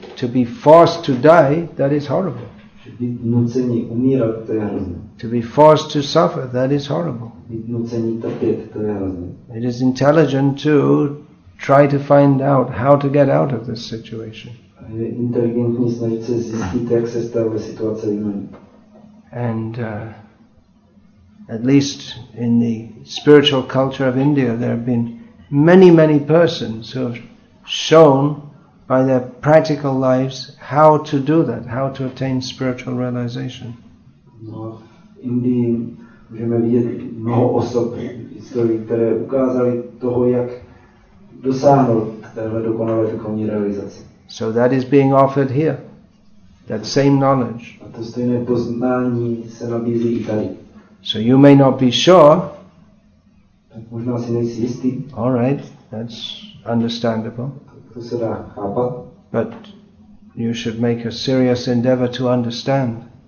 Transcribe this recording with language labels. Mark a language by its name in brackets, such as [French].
[English] To be forced to die, that is horrible. [Czech] Být nucený umírat, to je hrozné. [English] To be forced to suffer, that is horrible. [Czech] Být nucený trpět, to je hrozné. [English] It is intelligent to try to find out how to get out of this situation. [Czech] Je inteligentní snažit se zjistit, jak se z této situace vymanit. [English] And at least in the spiritual culture of India, there have been many, many persons who have shown by their practical lives how to do that, how to attain spiritual realization. [Czech] No, Indii můžeme vidět mnoho osob v historii, které ukázaly toho, jak dosáhnout téhle dokonalé duchovní realizace. [English] So that is being offered here, that same knowledge. [Czech] A to stejné poznání se nabízí i tady. [English] So you may not be sure. [Czech] Tak možná si nejsi jistý. [English] All right, that's understandable. [Czech] To se dá chápat. [English] But you should make a serious endeavor to understand.